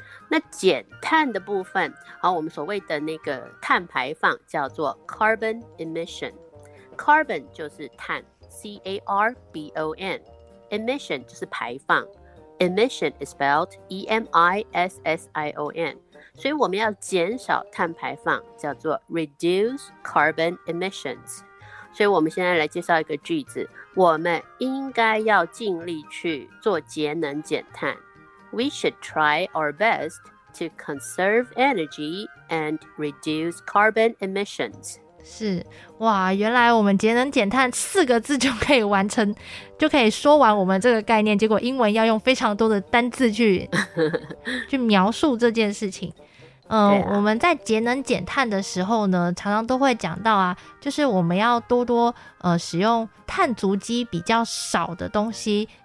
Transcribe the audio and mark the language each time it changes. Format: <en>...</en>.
<zh>那减碳的部分，好，我们所谓的那个碳排放叫做</zh> <en>carbon emission，</en> <zh>carbon 就是碳， carbon， emission 就是排放，</zh> <en>emission is spelled emission，</en> <zh>所以我们要减少碳排放叫做</zh> <en>reduce carbon emissions。</en> <zh>所以我们现在来介绍一个句子，我们应该要尽力去做节能减碳。</zh> <en>We should try our best to conserve energy and reduce carbon emissions.</en> <zh>是，哇，原来我们节能减碳四个字就可以完成，就可以说完我们这个概念，结果英文要用非常多的单字去去描述这件事情。我们在节能减碳的时候呢，常常都会讲到啊，就是我们要多多使用碳足迹比较少的东西。</zh>